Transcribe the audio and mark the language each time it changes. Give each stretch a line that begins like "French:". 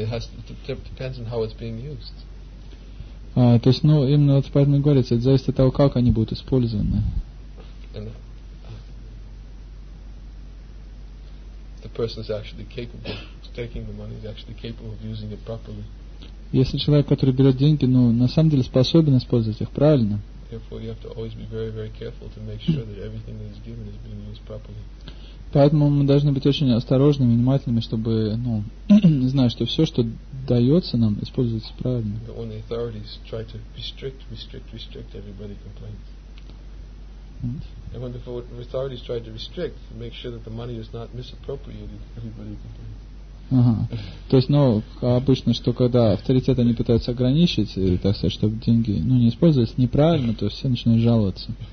English: It has depends on how it's being used.
Russian: То есть, ну, именно вот поэтому говорится, это зависит от того, как они будут использованы.
English: The person is actually capable of taking the money. Is actually capable of using it properly.
Russian: Если человек, который берет деньги, ну, на самом деле способен использовать их правильно.
English: Therefore, you have to always be very, very careful to make sure that everything that is given is being used properly.
Russian: Поэтому мы должны быть очень осторожными, внимательными, чтобы, ну, знать, что все, что дается нам, используется правильно.
English: But when the authorities try to restrict, everybody complains. And when the authorities try to restrict, make sure that the money is not misappropriated, everybody complains.
Russian: Ага. То есть, ну, обычно, что когда авторитет они пытаются ограничить, или, так сказать, чтобы деньги, ну, не использовались неправильно, то все начинают жаловаться.